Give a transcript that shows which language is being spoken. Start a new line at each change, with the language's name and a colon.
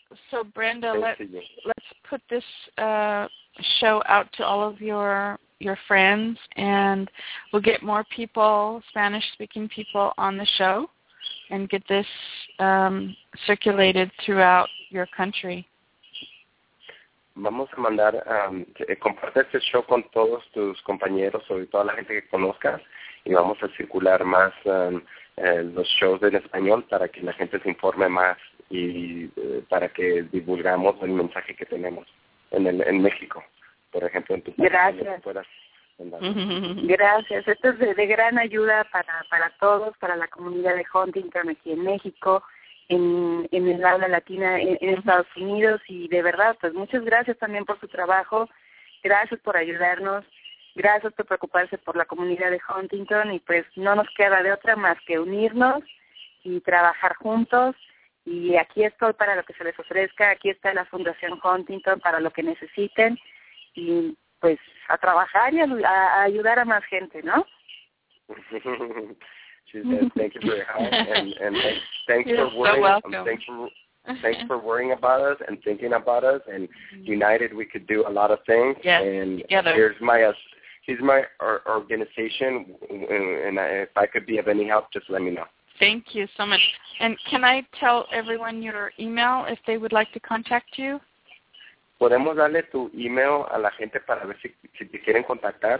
English: So, Brenda, let's put this show out to all of your friends, and we'll get more people, Spanish-speaking people, on the show and get this circulated throughout your country.
Spanish: Vamos a mandar, comparte este show con todos tus compañeros, sobre toda la gente que conozcas, y vamos a circular más los shows en español para que la gente se informe más y para que divulgamos el mensaje que tenemos en México, por ejemplo, en tu país. Gracias. Gracias. Esto es de gran ayuda para todos, para la comunidad de Huntington aquí en México, en el habla latina, en Estados Unidos, y de verdad, pues muchas gracias también por su trabajo, gracias por ayudarnos, gracias por preocuparse por la comunidad de Huntington, y pues no nos queda de otra más que unirnos y trabajar juntos, y aquí estoy para lo que se les ofrezca, aquí está la Fundación Huntington para lo que necesiten, y pues a trabajar y a ayudar a más gente, ¿no?
English: Thank you for your help and thanks for worrying. Thanks for worrying about us and thinking about us. And united, we could do a lot of things. Yes, and together. Here's my organization. And if I could be of any help, just let me know. Thank you so much. And can I tell everyone your email if they would like to contact you?
Spanish: ¿Podemos darle tu email a la gente para ver si te quieren contactar?